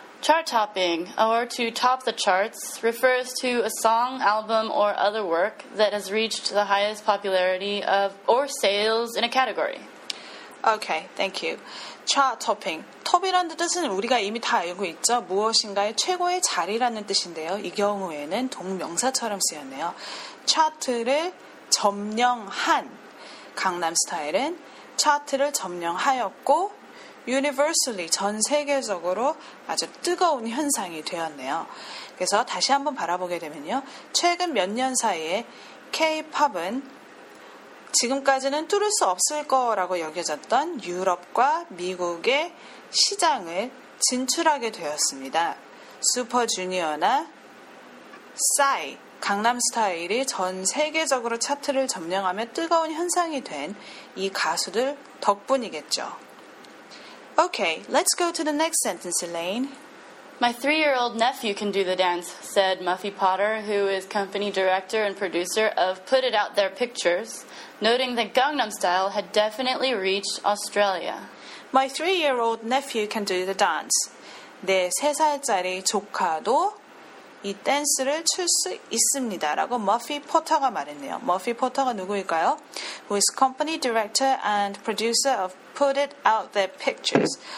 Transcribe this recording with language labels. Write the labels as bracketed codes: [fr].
[en] Chart topping, or to top the charts, refers to a song, album, or other work that has reached the highest popularity of or sales in a category. Okay, thank you. Chart topping. [ko] Top이라는 뜻은 우리가 이미 다 알고 있죠. 무엇인가의 최고의 자리라는 뜻인데요. 이 경우에는 동명사처럼 쓰였네요. 차트를 점령한 강남스타일은 차트를 점령하였고 universally 전 세계적으로 아주 뜨거운 현상이 되었네요. 그래서 다시 한번 바라보게 되면요. 최근 몇 년 사이에 K-POP은 지금까지는 뚫을 수 없을 거라고 여겨졌던 유럽과 미국의 시장을 진출하게 되었습니다. 슈퍼주니어나 싸이, 강남스타일이 전 세계적으로 차트를 점령하며 뜨거운 현상이 된 이 가수들 덕분이겠죠. [en] Okay, let's go to the next sentence, Elaine. My three-year-old nephew can do the dance, said Muffy Potter, who is company director and producer of Put It Out There Pictures, noting that Gangnam Style had definitely reached Australia. My three-year-old nephew can do the dance. [ko] 내 3살짜리 조카도 이 댄스를 출 수 있습니다. 라고 Muffy Potter가 말했네요. Muffy Potter가 누구일까요? [en] Who is company director and producer of Put It Out There Pictures.